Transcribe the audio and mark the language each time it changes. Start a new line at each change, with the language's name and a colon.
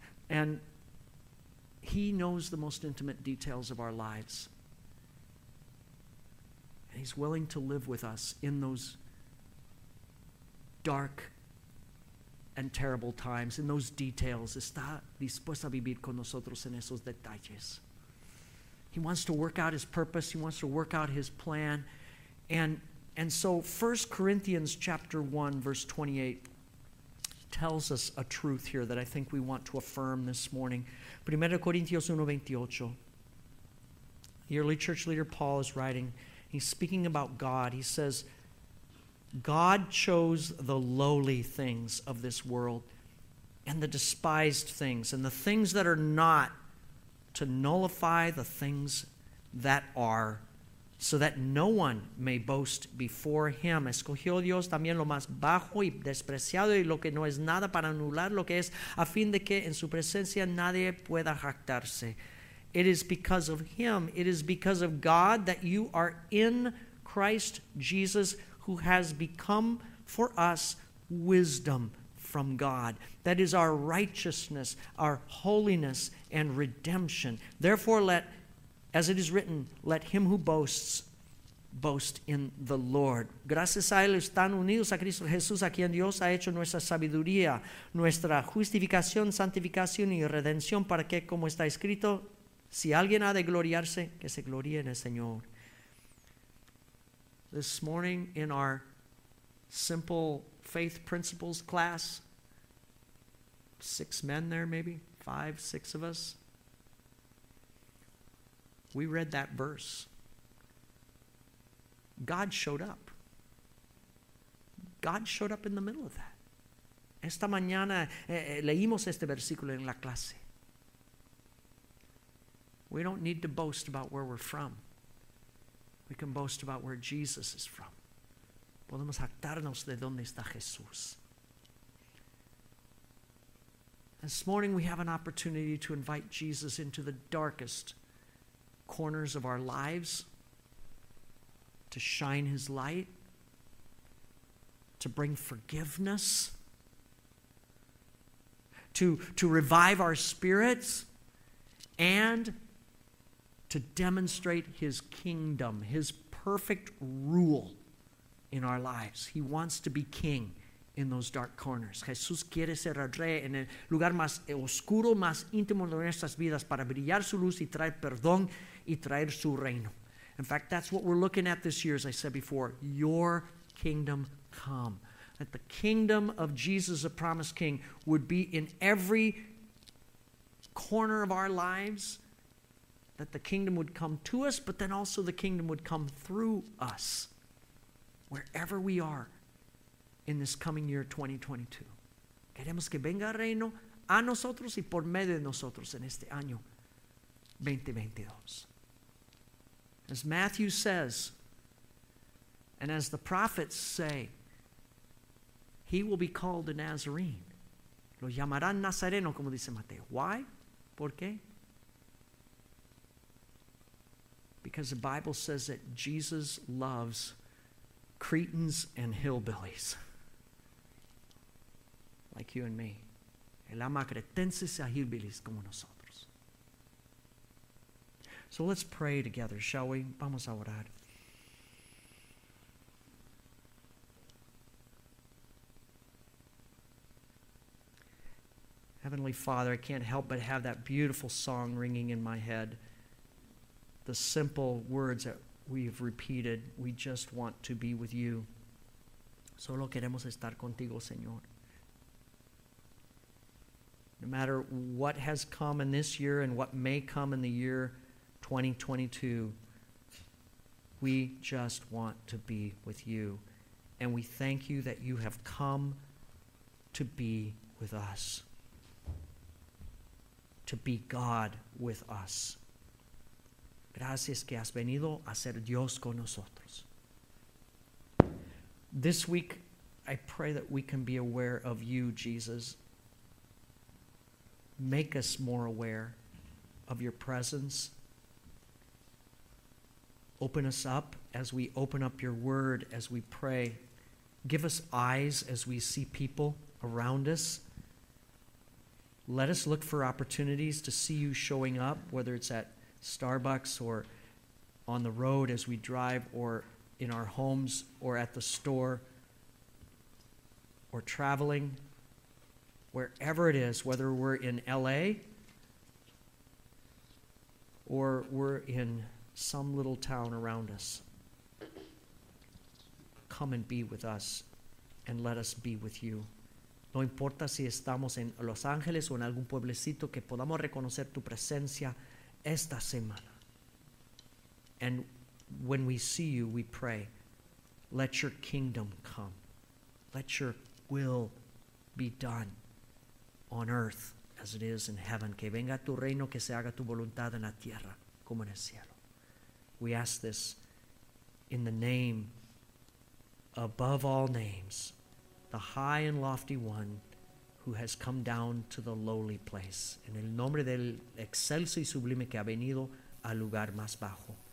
English: And he knows the most intimate details of our lives. And he's willing to live with us in those dark and terrible times, in those details.
Spanish: Está dispuesto a vivir con nosotros en esos detalles.
English: He wants to work out his purpose. He wants to work out his plan. And so 1 Corinthians chapter 1, verse 28 tells us a truth here that I think we want to affirm this morning. 1 Corinthians 1, 28. The early church leader Paul is writing. He's speaking about God. He says, God chose the lowly things of this world and the despised things and the things that are not to nullify the things that are, so that no one may boast before him.
Spanish: Escogió Dios también lo más bajo y despreciado y lo que no es nada para anular lo que es, a fin de que en su presencia nadie pueda jactarse.
English: It is because of him, it is because of God that you are in Christ Jesus, who has become for us wisdom from God. That is our righteousness, our holiness, and redemption. Therefore, let, as it is written, let him who boasts, boast in the Lord.
Spanish: Gracias a él están unidos a Cristo Jesús, a quien Dios ha hecho nuestra sabiduría, nuestra justificación, santificación y redención, para que, como está escrito, si alguien ha de gloriarse, que se gloríe en el Señor.
English: This morning in our simple faith principles class, six men there maybe, five, six of us, we read that verse. God showed up. God showed up in the middle of that.
Spanish: Esta mañana leímos este versículo en la clase.
English: We don't need to boast about where we're from. We can boast about where Jesus is from.
Spanish: Podemos jactarnos de donde está Jesús.
English: This morning we have an opportunity to invite Jesus into the darkest corners of our lives, to shine his light, to bring forgiveness, to revive our spirits, and to demonstrate his kingdom, his perfect rule in our lives. He wants to be king in those dark corners.
Spanish: Jesús quiere ser el rey en el lugar más oscuro, más íntimo de nuestras vidas, para brillar su luz y traer perdón y traer su reino.
English: In fact, that's what we're looking at this year, as I said before. Your kingdom come. That the kingdom of Jesus, the promised king, would be in every corner of our lives. That the kingdom would come to us, but then also the kingdom would come through us, wherever we are in this coming year, 2022.
Spanish: Queremos que venga el reino a nosotros y por medio de nosotros en este año 2022.
English: As Matthew says, and as the prophets say, he will be called a Nazarene.
Spanish: Lo llamarán Nazareno, como dice Mateo.
English: Why?
Spanish: ¿Por qué?
English: Because the Bible says that Jesus loves Cretans and hillbillies like you and me.
Spanish: Él ama a cretenses y a hillbillies como nosotros.
English: So let's pray together, shall we?
Spanish: Vamos a orar.
English: Heavenly Father, I can't help but have that beautiful song ringing in my head. The simple words that we've repeated, we just want to be with you.
Spanish: Solo queremos estar contigo, Señor.
English: No matter what has come in this year and what may come in the year 2022, we just want to be with you. And we thank you that you have come to be with us, to be God with us.
Spanish: Gracias que has venido a ser Dios con nosotros.
English: This week, I pray that we can be aware of you, Jesus. Make us more aware of your presence. Open us up as we open up your word, as we pray. Give us eyes as we see people around us. Let us look for opportunities to see you showing up, whether it's at Starbucks or on the road as we drive or in our homes or at the store or traveling, wherever it is, whether we're in LA or we're in some little town around us. Come and be with us and let us be with you.
Spanish: No importa si estamos en Los Ángeles o en algún pueblecito, que podamos reconocer tu presencia esta semana.
English: And when we see you, we pray, let your kingdom come. Let your will be done on earth as it is in heaven.
Spanish: Que venga tu reino, que se haga tu voluntad en la tierra como en el cielo.
English: We ask this in the name above all names, the high and lofty one who has come down to the lowly place.
Spanish: En el nombre del excelso y sublime que ha venido al lugar más bajo.